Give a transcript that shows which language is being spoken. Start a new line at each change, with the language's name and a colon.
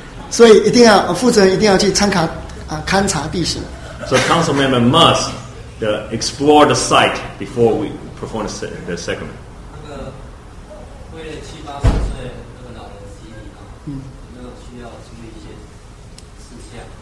Chinese: 所以一定要负责，一定要去参考啊，勘察地形。
English: So council member must explore the site before we perform the sacrament.
Chinese: 那个为了七八十岁那个老人的记忆啊，有没有需要注意一些事项？